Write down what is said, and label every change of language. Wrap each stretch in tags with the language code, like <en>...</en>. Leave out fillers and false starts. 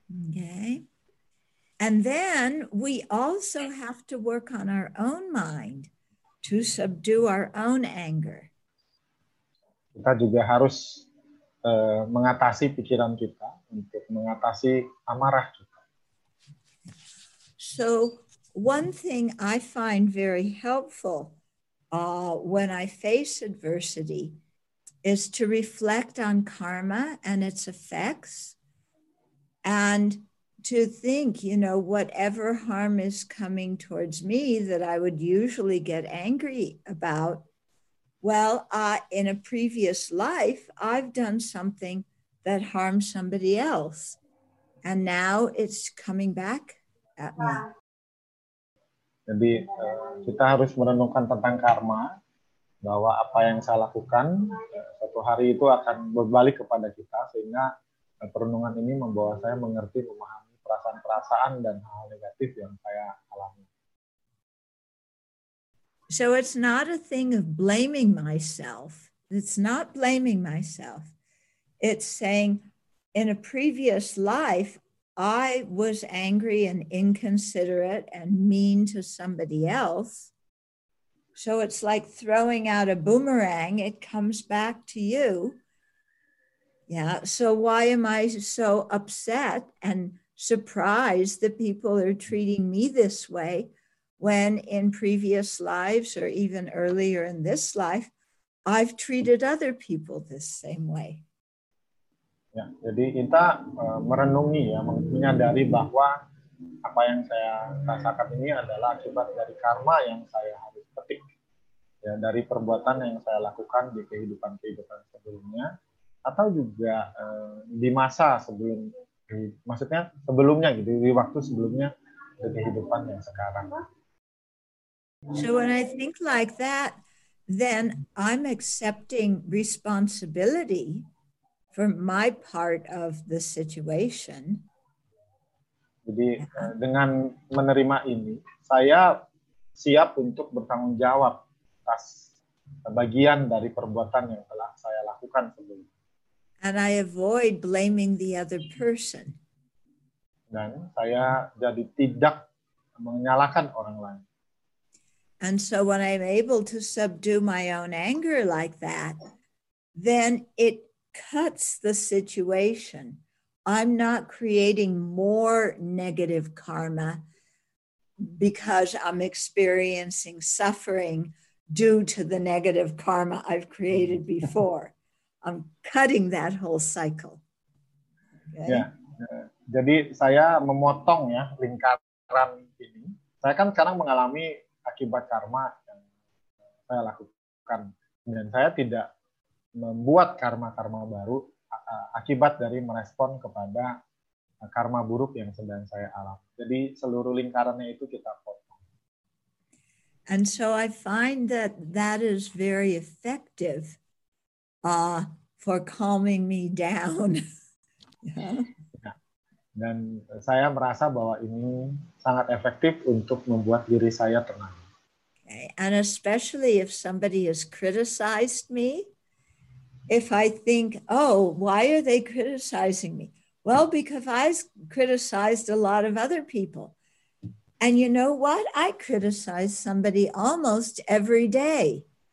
<en>Okay. And then we also have to work on our own mind to subdue our own anger.</en> <id>Kita juga harus mengatasi pikiran kita untuk mengatasi amarah kita.</id> <en>So one thing I find very helpful when I face adversity is to reflect on karma and its effects, and to think, you know, whatever harm is coming towards me that I would usually get angry about, well, in a previous life, I've done something that harmed somebody else, and now it's coming back at me.</en> <id>Jadi kita harus merenungkan tentang karma, bahwa apa yang saya lakukan suatu hari itu akan berbalik kepada kita, sehingga perenungan ini membawa saya mengerti, memahami perasaan-perasaan dan hal negatif yang saya alami.</id> <en>So it's not a thing of blaming myself. It's not blaming myself. It's saying, in a previous life, I was angry and inconsiderate and mean to somebody else. So it's like throwing out a boomerang, it comes back to you. Yeah, so why am I so upset and surprised that people are treating me this way when in previous lives or even earlier in this life, I've treated other people this same way?</en> <id>Ya, jadi kita merenungi ya, menyadari bahwa apa yang saya rasakan ini adalah akibat dari karma yang saya harus petik. Ya, dari perbuatan yang saya lakukan di kehidupan-kehidupan sebelumnya atau juga di masa sebelum di, maksudnya sebelumnya gitu, di waktu sebelumnya di kehidupan yang sekarang.</id> <en>So when I think like that, then I'm accepting responsibility for my part of the situation.</en> <id>Jadi dengan menerima ini, saya siap untuk bertanggung jawab atas bagian dari perbuatan yang telah saya lakukan sebelumnya.</id> <en>And I avoid blaming the other person.</en> <id>Dan saya jadi tidak menyalahkan orang lain.</id> <en>And so when I'm able to subdue my own anger like that, then it cuts the situation. I'm not creating more negative karma because I'm experiencing suffering due to the negative karma I've created before. I'm cutting that whole cycle. Okay? Yeah.</en> <id>Jadi saya memotong ya lingkaran ini. Saya kan sekarang mengalami akibat karma yang saya lakukan dan saya tidak membuat karma-karma baru akibat dari merespon kepada karma buruk yang sedang saya alami. Jadi seluruh lingkarannya itu kita potong.</id> <en>And so I find that that is very effective for calming me down. Yeah.</en> <id>Dan saya merasa bahwa ini sangat efektif untuk membuat diri saya tenang.</id> <en>Okay. And especially if somebody has criticized me, if I think, oh, why are they criticizing me? Well, because I criticized a lot of other people. And you know what? I criticize somebody almost every day.</en>